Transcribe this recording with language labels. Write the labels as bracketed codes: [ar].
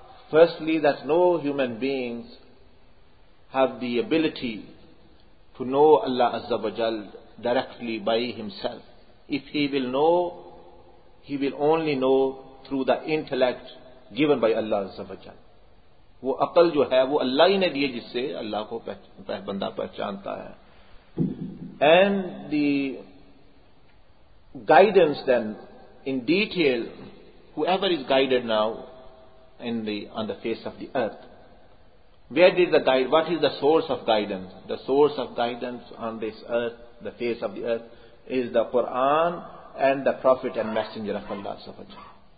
[en] Firstly, that no human beings have the ability to know Allah Azza wa Jal directly by himself. If he will know, he will only know through the intellect given by Allah Azza wa Jal. [ur] وہ عقل جو ہے وہ اللہ ہی نے دیے جس سے اللہ کو بندہ پہچانتا ہے. [en] And the guidance then in detail, whoever is guided now on the face of the earth, what is the source of guidance? The source of guidance on this earth, the face of the earth, is the Quran and the Prophet and Messenger of Allah subhanahu wa ta'ala.